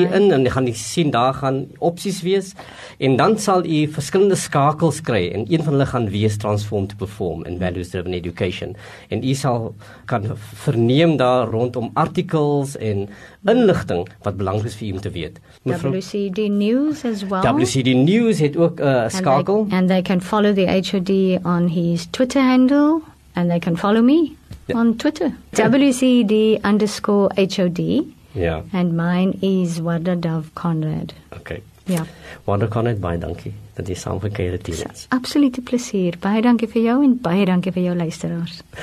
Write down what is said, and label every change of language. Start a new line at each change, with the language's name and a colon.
Afrikaans: in, en jy gaan nie sien, daar gaan opsies wees, en dan sal jy verskillende skakels kry, en een van hulle gaan wees Transform to Perform in Values Driven Education, en jy sal kan verneem daar rondom artikels en inligting wat belangrijk is vir jy om te weet.
English: WCD News as well.
Afrikaans: WCD News het ook skakel.
English: And they can follow the HOD on his Twitter handle, and they can follow me on Twitter. WCD_HOD. Yeah. And mine is Wanda Dov Conrad. Okay. Yeah.
Afrikaans: Wanda Conrad, baie dankie dat jy saam gekeer het hier. Absolute plezier. Baie dankie vir jou en baie dankie vir jou luisteraars.